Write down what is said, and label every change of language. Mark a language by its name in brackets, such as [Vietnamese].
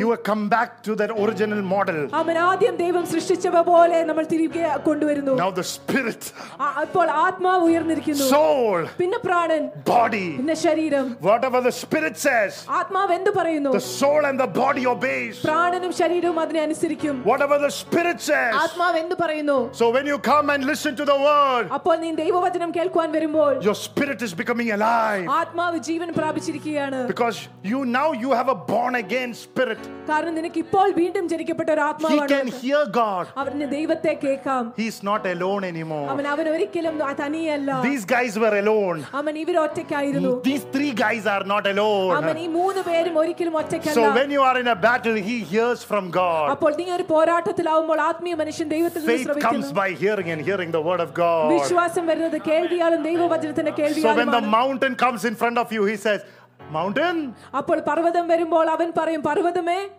[English] you have come back to that original model [Malayalam] അവൻ ആദ്യം ദൈവം സൃഷ്ടിച്ചവ പോലെ നമ്മൾ തിരികെ കൊണ്ടുവരുന്നു [English] now the spirit [Malayalam] അപ്പോൾ ആത്മാവ് ഉയർന്നിരിക്കുന്നു [English] soul [Malayalam] പിന്നെ പ്രാണൻ [English] body [Malayalam] പിന്നെ ശരീരം [English] whatever the spirit says [Malayalam] ആത്മാവ് എന്തു പറയുന്നു [English] the soul and the body obeys [Malayalam] പ്രാണനും ശരീരവും അതിനെ അനുസരിക്കും [English] whatever the spirit says [Malayalam] ആത്മാവ് എന്തു പറയുന്നു [English] so when you come and listen to the word [Malayalam] അപ്പോൾ നീ ദൈവം വചനം കേൾക്കുവാൻ വരുമ്പോൾ [English] your spirit is becoming alive [Malayalam] ആത്മാവ് ജീവൻ പ്രാപിച്ചിരിക്കുകയാണ് [English] because you now you have a born again spirit [Malayalam] കാരണം നിനക്ക് ഇപ്പോൾ വീണ്ടും ജനിക്കപ്പെട്ട ഒരു ആത്മാവാണ് [English] he can hear god [Malayalam] അവനെ ദൈവത്തെ കേൾക്കാം [English] he is not alone anymore [Malayalam] അവൻ ഒരിക്കലും തനിയല്ല [English] these guys were alone [Malayalam] അവൻ ഇവർ ഒറ്റയ്ക്കായിരുന്നു [English] these three guys are not alone [Malayalam] അവൻ ഈ മൂന്ന് പേരും ഒരിക്കലും ഒറ്റയ്ക്കല്ല [English] so when you are in a battle he hears from god [Malayalam] അപ്പോൾ നീ ഒരു പോരാട്ടത്തിൽ ആവുമ്പോൾ ആത്മീയ മനുഷ്യൻ ദൈവത്തിൽ നിന്ന് ശ്രവിക്കുന്നു [English] it comes by hearing and hearing the word of god [Malayalam] വിശ്വാസം വരുന്നത് കേൾവിയാലും ദൈവവചനത്തിന്റെ കേൾവിയാലും [English] so when the mountain comes in front of you he says mountain [Malayalam] അപ്പോൾ പർവതം വരുമ്പോൾ അവൻ പറയും പർവതമേ